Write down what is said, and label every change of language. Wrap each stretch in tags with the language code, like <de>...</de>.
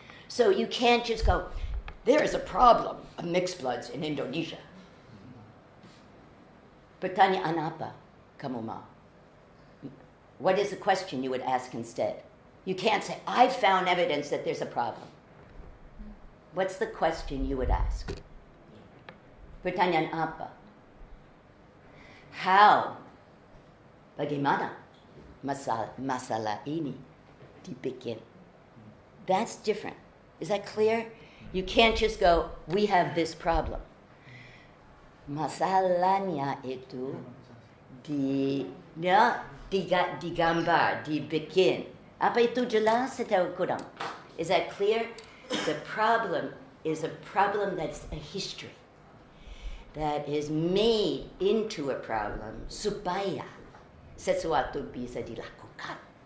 <en>So you can't just go, there is a problem of mixed bloods in Indonesia.</en> <id>Pertanyaan apa kamu mau?</id> <en>What is the question you would ask instead? You can't say, I found evidence that there's a problem. What's the question you would ask?</en> <id>Pertanyaan apa?</id> <en>How?</en> <id>Bagaimana masalah ini dibikin?</id> <en>That's different. Is that clear? You can't just go, we have this problem.</en> <id>Masalahnya itu digambar, dibikin. Apa itu jelas atau kurang?</id> <en>Is that clear? The problem is a problem that's a history that is made into a problem</en> <id>supaya sesuatu bisa dilakukan.</id>